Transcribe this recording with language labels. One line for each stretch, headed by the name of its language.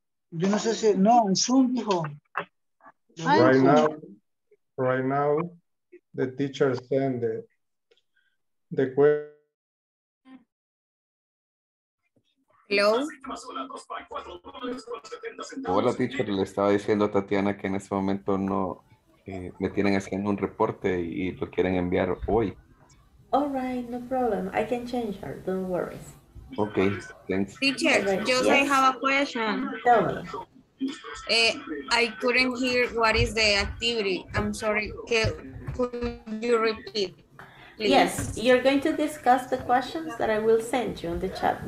Spanish: Yo no sé si, no, en Zoom, hijo.
English: Right now, the teacher send the question. Hello.
Spanish: Hola, teacher. Le estaba diciendo a Tatiana que en este momento no me tienen haciendo un reporte y lo quieren enviar hoy.
English: All right, no problem. I can change her. Don't worry. Okay, thanks. Teacher, just yes. I have a question. Tell me. I couldn't hear what is the activity. I'm sorry. Could you repeat, please? Yes, you're going to discuss the questions that I will send you on the chat.